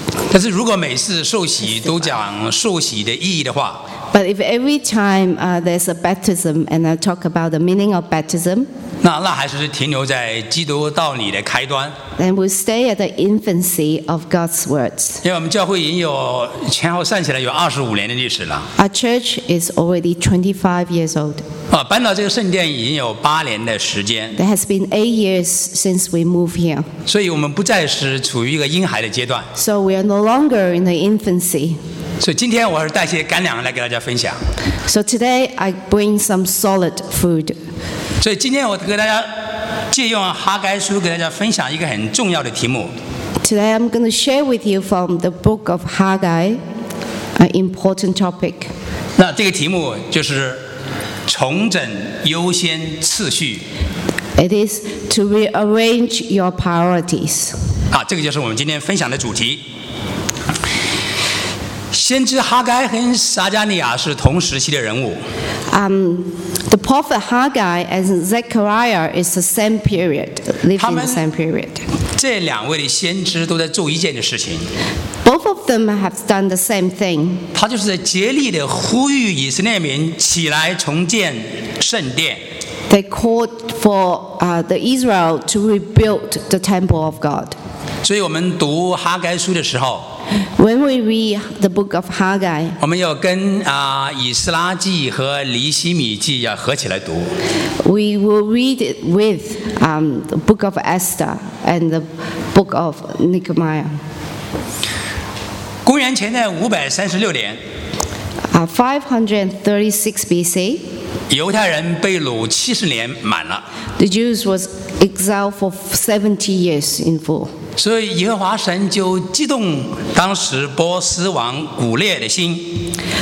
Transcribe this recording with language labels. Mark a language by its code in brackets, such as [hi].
[zh] 但是如果每次受洗都讲受洗的意义的话 [en] ，But if every time there's a baptism and I talk about the meaning of baptism， [zh] 那还是停留在基督道理的开端。 [en] Then we stay at the infancy of God's words。 [zh] 因为我们教会已经有前后算起来有25年的历史了。 [en] Our church is already 25 years old。 [zh] 搬到这个圣殿已经有8年的时间。 [en] There has been 8 years since we moved here。 [zh] 所以我们不再是处于一个婴孩的阶段。 [en] So we are no longer in the infancy。 [zh] 所以今天我是带些干粮来给大家分享。 [en] So today I bring some solid food。 [zh] 所以今天我给大家借用哈该书给大家分享一个很重要的题目。 [en] Today I'm going to share with you from the book of Haggai an important topic。 [zh] 那这个题目就是。重整优先次序。 [en] It is to rearrange your priorities。 [zh] 这个就是我们今天分享的主题。先知哈该和撒迦利亚是同时期的人物。 [en] The prophet Haggai and Zechariah is the same period, living in the same period。 [zh] 这两位的先知都在做一件的事情。 [en] Both of them have done the same thing。 [zh] 他就是在竭力地呼吁以色列民起来重建圣殿。 [en] They called for the Israel to rebuild the temple of God。 [zh] 所以我们读哈该书的时候 [en] ，When we read the book of Haggai， [zh] 我们要跟以斯拉记和尼希米记要合起来读。 [en] We will read it with the book of Esther and the book of Nehemiah。 [zh] 公元前的536年 [en] 536 BC， [zh] 犹太人被掳70年满了。 [en] The Jews was exiled for 70 years in full。 [zh] 所以耶和华神就激动当时波斯王古列的心。